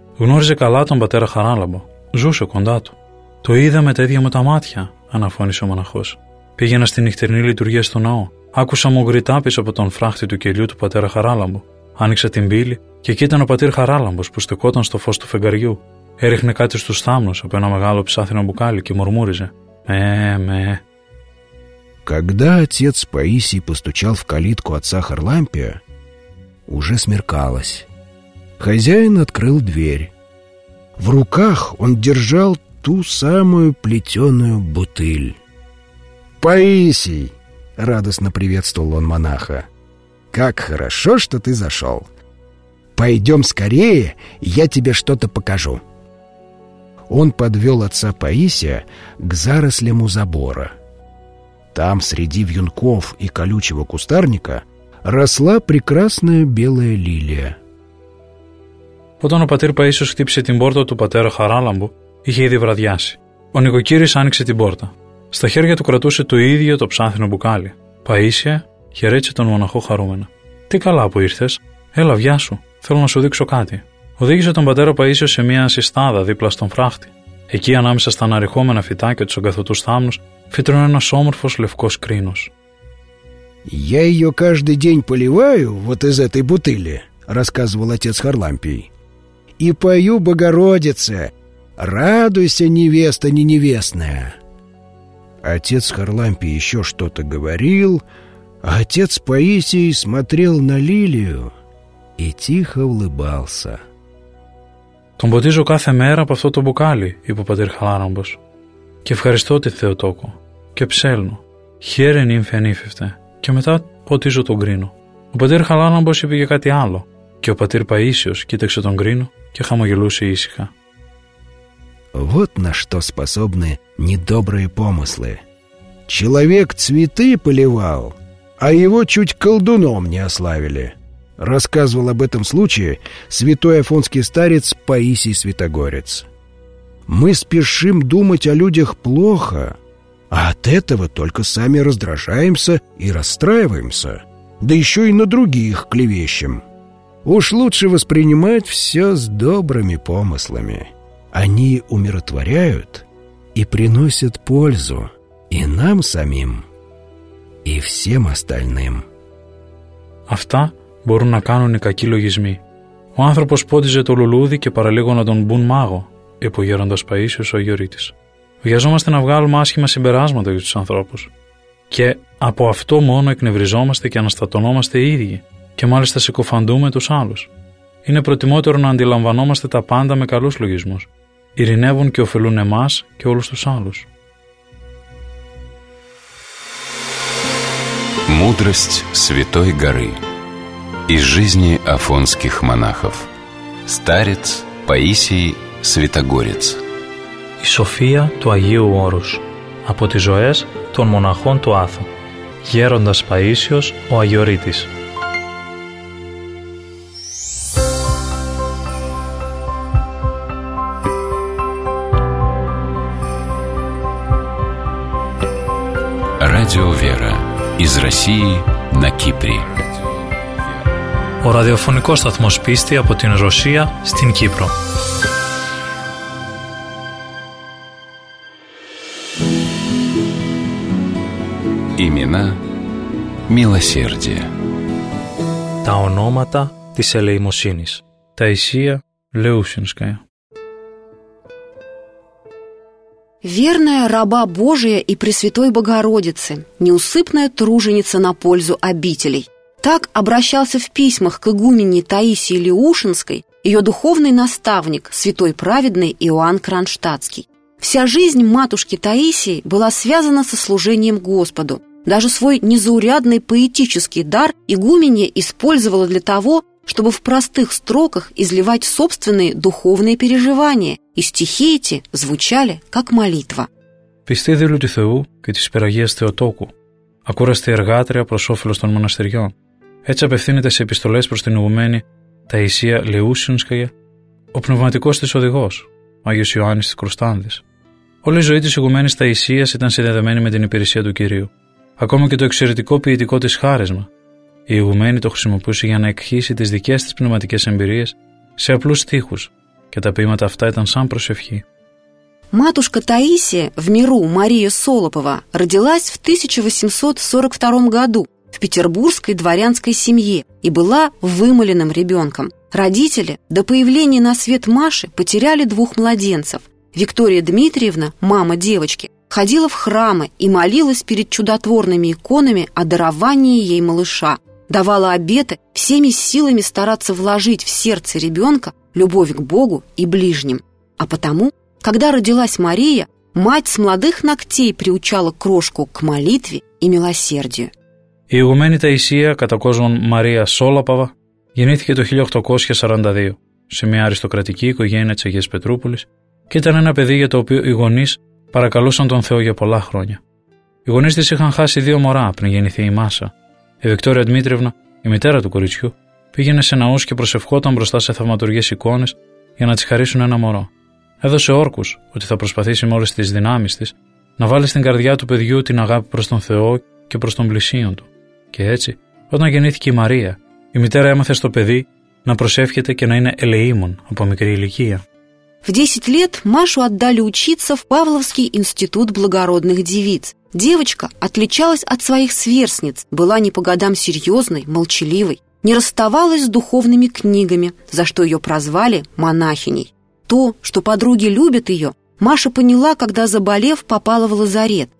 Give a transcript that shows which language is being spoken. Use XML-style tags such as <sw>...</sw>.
<el>«Γνώριζε καλά τον πατέρα Χαράλαμπο. Ζούσε κοντά του. Το είδα με τα ίδια μου τα μάτια», αναφώνησε ο μοναχός. «Πήγαινα στη νυχτερινή λειτουργία στο ναό. Άκουσα μουγκριτά πίσω από τον φράχτη του κελιού του πατέρα Χαράλαμπο. Άνοιξα την πύλη και εκεί ήταν ο πατήρ Χαράλαμπος που στεκόταν στο φως του φεγγαριού. Έριχνε κάτι στους θάμνους από ένα μεγάλο ψάθινο μπουκάλι και μουρμούριζε. Με.</el> <ru>Когда отец Паисий постучал в калитку отца Харлампия, уже смеркалось. Хозяин открыл дверь. В руках он держал ту самую плетеную бутыль. «Паисий!» — радостно приветствовал он монаха. «Как хорошо, что ты зашел! Пойдем скорее, я тебе что-то покажу!» Он подвел отца Паисия к зарослям у забора. Там, среди вьюнков и колючего кустарника, росла прекрасная белая лилия.</ru> <el>Όταν ο πατήρ Παΐσιος χτύπησε την πόρτα του πατέρα Χαράλαμπου, είχε ήδη βραδιάσει. Ο νοικοκύρης άνοιξε την πόρτα. Στα χέρια του κρατούσε το ίδιο το ψάθινο μπουκάλι. «Παΐσια», χαιρέτησε τον μοναχό χαρούμενα. «Τι καλά που ήρθες. Έλα, βιά σου. Θέλω να σου δείξω κάτι». Οδήγησε τον πατέρα Παΐσιο σε μια συστάδα δίπλα στον φράχτη. Εκεί, ανάμεσα στα αναρριχόμενα φυτά και τους αγκαθωτούς θάμνους, φύτρωνε ένας όμορφος λευκός κρίνος.</el> <ru>«Я ее каждый день поливаю вот из этой бутыли», рассказывал отец Харлампий. «И пою Богородице. Радуйся, невеста неневестная». Отец Харлампий еще что-то говорил, а отец Паисий смотрел на лилию и тихо улыбался.</ru> <el>«Τον ποτίζω κάθε μέρα από αυτό το μπουκάλι», είπε ο πατήρ Χαράλαμπος. «Και ευχαριστώ τη Θεοτόκο και ψέλνω. Χαίρε νύμφε ανήφευτε. Και μετά ποτίζω τον κρίνο». Ο πατήρ Χαράλαμπος είπε και κάτι άλλο και ο πατήρ Παΐσιος κοίταξε τον κρίνο και χαμογελούσε ήσυχα.</el> <ru>Вот на что способны недобрые помыслы. Человек цветы поливал, а его чуть колдуном не ославили. Рассказывал об этом случае святой афонский старец Паисий Святогорец. Мы спешим думать о людях плохо, а от этого только сами раздражаемся и расстраиваемся, да еще и на других клевещем. Уж лучше воспринимать все с добрыми помыслами. Они умиротворяют и приносят пользу и нам самим, и всем остальным.</ru> <el>Αυτά μπορούν να κάνουν οι κακοί λογισμοί. Ο άνθρωπος πόντιζε το λουλούδι και παραλίγο να τον μπουν μάγο, είπε ο γέροντας Παΐσιος ο Αγιορείτης. Βιαζόμαστε να βγάλουμε άσχημα συμπεράσματα για τους ανθρώπους. Και από αυτό μόνο εκνευριζόμαστε και αναστατωνόμαστε οι ίδιοι, και μάλιστα συκοφαντούμε τους άλλους. Είναι προτιμότερο να αντιλαμβανόμαστε τα πάντα με καλούς λογισμούς. Ειρηνεύουν και ωφελούν εμάς και όλους τους άλλους.</el> <ru>Мудрость Святой Горы из жизни афонских монахов. Старец Паисий Святогорец.</ru> <el>Η Σοφία του Αγίου Όρους από τις ζωές των μοναχών του Άθου. Γέροντας Παΐσιος ο Αγιορείτης.</el> <ru>Радио Вера. Из России на Кипре.</ru> <el>Ο ραδιοφωνικός σταθμός πίστη από την Ρωσία στην Κύπρο.</el> <ru>Имена милосердия.</ru> <el>Τα ονόματα της ελεημοσύνης.</el> <ru>Таисия Леушинская. Верная раба Божия и Пресвятой Богородицы, неусыпная труженица на пользу обителей. Так обращался в письмах к игумене Таисии Леушинской ее духовный наставник, святой праведный Иоанн Кронштадтский. Вся жизнь матушки Таисии была связана со служением Господу. Даже свой незаурядный поэтический дар игуменья использовала для того, чтобы в простых строках изливать собственные духовные переживания, и стихи эти звучали как молитва. Пистей дилю</ru> <el>ти Θεού και της Υπεραγίας Θεοτόκου, ακούραστη εργάτρια προς όφελος των μοναστηριών. Έτσι απευθύνεται σε επιστολές προς την ηγουμένη Ταϊσία Λεούσινσκαγε, ο πνευματικός της οδηγός, ο Άγιος Ιωάννης της Κρουστάνδης. Όλη η ζωή της ηγουμένης Ταϊσίας ήταν συνδεδεμένη με την υπηρεσία του Κυρίου, ακόμα και το εξαιρετικό ποιητικό της χάρισμα. Η ηγουμένη το χρησιμοποιούσε για να εκχύσει τις δικές της πνευματικές εμπειρίες σε απλούς στίχους και τα ποίηματα αυτά ήταν σαν προσευχή.</el> <ru>Матушка Таисия в миру Мария Солопова родилась в 1842 году в петербургской дворянской семье и была вымоленным ребенком. Родители до появления на свет Маши потеряли двух младенцев. Виктория Дмитриевна, мама девочки, ходила в храмы и молилась перед чудотворными иконами о даровании ей малыша, давала обеты всеми силами стараться вложить в сердце ребенка любовь к Богу и ближним. А потому, когда родилась Мария, мать с молодых ногтей приучала крошку к молитве и милосердию.</ru> <el>Η Игумένη Таисия, κατά κόσμον Мария Солопова, γεννήθηκε το 1842 σε μια αριστοκρατική οικογένεια της Αγίας Πετρούπολης και ήταν ένα παιδί για το οποίο οι γονείς παρακαλούσαν τον Θεό για πολλά χρόνια. Οι γονείς της είχαν χάσει δύο μωρά πριν γεννηθεί η Μάσα. Η Βικτόρια Δημήτρευνα, η μητέρα του κοριτσιού, πήγαινε σε ναούς και προσευχόταν μπροστά σε θαυματουργές εικόνες για να της χαρίσουν ένα μωρό. Έδωσε όρκους ότι θα προσπαθήσει με όλες τις δυνάμεις της να βάλει στην καρδιά του παιδιού την αγάπη προς τον Θεό και προς τον πλησίον του. Και έτσι, όταν γεννήθηκε η Μαρία, η μητέρα έμαθε στο παιδί να προσεύχεται και να είναι ελεήμων από μικρή ηλικία.</el> <ru>В 10 лет Машу отдали учиться в Павловский институт благородных девиц. Девочка отличалась от своих сверстниц, была не по годам серьезной, молчаливой, не расставалась с духовными книгами, за что ее прозвали монахиней. То, что подруги любят ее, Маша поняла, когда, заболев, попала в лазарет.</ru>